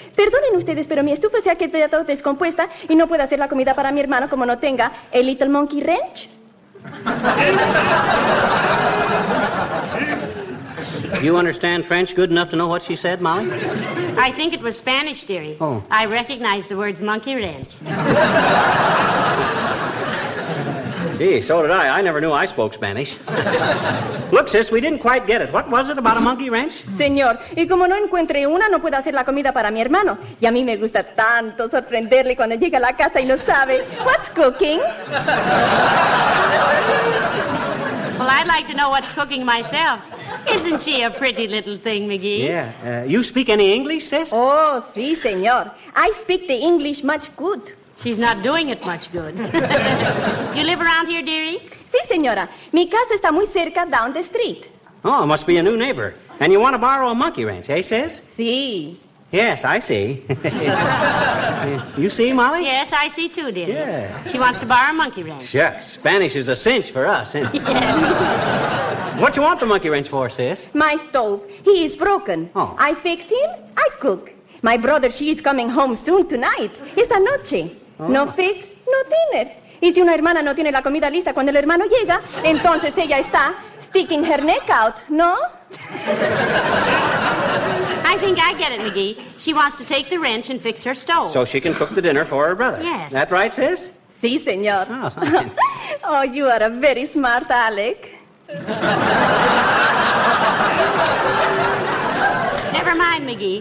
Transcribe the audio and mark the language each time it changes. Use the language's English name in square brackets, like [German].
[Spanish] Perdonen ustedes, pero mi estufa se ha quedado descompuesta y no puedo hacer la comida para mi hermano como no tenga el Little Monkey Ranch. [English] You understand French good enough to know what she said, Molly? I think it was Spanish, dearie. Oh. I recognize the words Monkey Ranch. Gee, so did I. I never knew I spoke Spanish. Look, sis, we didn't quite get it. What was it about a monkey ranch? [Spanish] Señor, y como no encuentre una, no puedo hacer la comida para mi hermano. Y a mí me gusta tanto sorprenderle cuando llega a la casa y no sabe, [English] what's cooking? Well, I'd like to know what's cooking myself. Isn't she a pretty little thing, McGee? Yeah. You speak any English, sis? Oh, [Spanish] sí, señor. [English] I speak the English much good. She's not doing it much good. You live around here, dearie? [Spanish] Sí, señora. Mi casa está muy cerca [English] down the street. Oh, must be a new neighbor. And you want to borrow a monkey ranch, eh, sis? [Spanish] Sí. [English] Yes, I see. You see, Molly? Yes, I see too, dear. Yeah. She wants to borrow a monkey wrench. Yes, Spanish is a cinch for us, isn't it? Yes. What you want the monkey wrench for, sis? My stove. He is broken. Oh. I fix him, I cook. My brother, she is coming home soon tonight. [Spanish] Esta noche. [English] Oh. No fix, no dinner. [Spanish] Y si una hermana no tiene la comida lista cuando el hermano llega, entonces ella está [English] sticking her neck out, [Spanish] ¿no? [English] I think I get it, McGee. She wants to take the wrench and fix her stove. So she can cook the dinner for her brother. Yes. That right, sis? [Spanish] Sí, señor. [English] Oh, oh, you are a very smart Alec. Never mind, McGee.